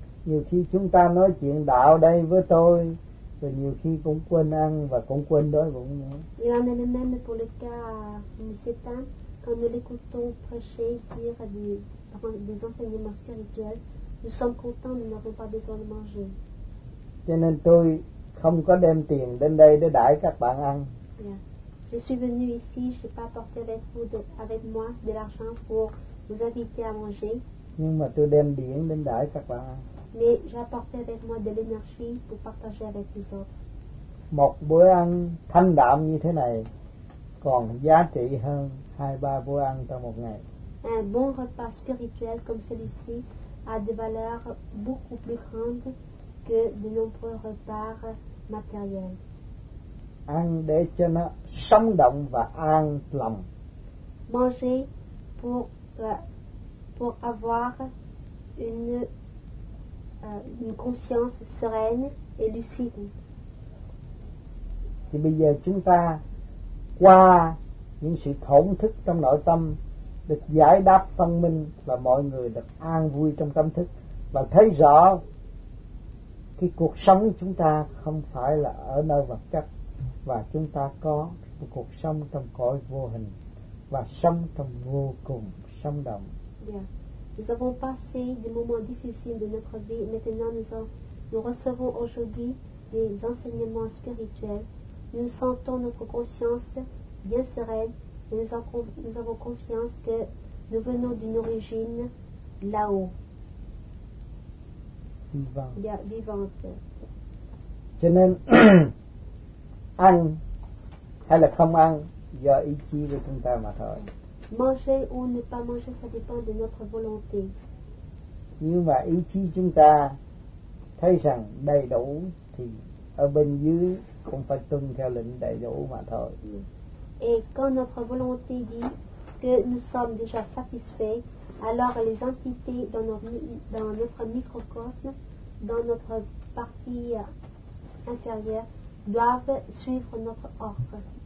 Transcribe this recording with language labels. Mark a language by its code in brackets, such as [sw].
[vi] Nhiều khi chúng ta nói chuyện đạo đây với tôi, rồi nhiều khi cũng quên ăn và cũng quên đói bụng nữa. [fr] Il en est même pour le cas où c'est un quand nous l'écoutons prêcher, dire des enseignements spirituels, nous sommes contents, nous n'avons pas besoin de manger. [vi] Cho nên tôi không có đem tiền đến đây để đãi các bạn ăn. [fr] Je suis venu ici, je n'ai pas apporté avec vous, avec moi, de l'argent pour vous inviter à manger. [vi] Nhưng mà tôi đem điện đến đãi các bạn ăn. [fr] Mais j'ai apporté avec moi de l'énergie pour partager avec vous autres. [vi] Một bữa ăn thanh đạm như thế này còn giá trị hơn hai ba bữa ăn trong một ngày. [fr] Un bon repas spirituel comme celui-ci a des valeurs beaucoup plus grandes que de nombreux repas matériels. [vi] Ăn để cho nó sống động và an lòng. [fr] Manger pour avoir une conscience sereine et lucide. [vi] Thì bây giờ chúng ta qua những sự thổn thức trong nội tâm được giải đáp phân minh và mọi người được an vui trong tâm thức và thấy rõ cái cuộc sống chúng ta không phải là ở nơi vật chất và chúng ta có một cuộc sống trong cõi vô hình và sống trong vô cùng sống động. Yeah. [fr] Nous avons passé des moments difficiles de notre vie. Maintenant nous recevons aujourd'hui des enseignements spirituels. Nous sentons notre conscience bien sereine et nous avons confiance que nous venons d'une origine là-haut. Vivante. Yeah, vivante. [vi] Cho nên, ăn hay là không ăn do ý chí của chúng ta mà thôi. [fr] Manger ou ne pas manger, ça dépend de notre volonté. [vi] Nhưng mà ý chí chúng ta thấy rằng đầy đủ thì ở bên dưới cũng phải tuân theo lệnh đầy đủ mà thôi. [fr] Et quand notre volonté dit que nous sommes déjà satisfaits, alors les entités dans notre microcosme, dans notre partie inférieure, doivent suivre notre ordre.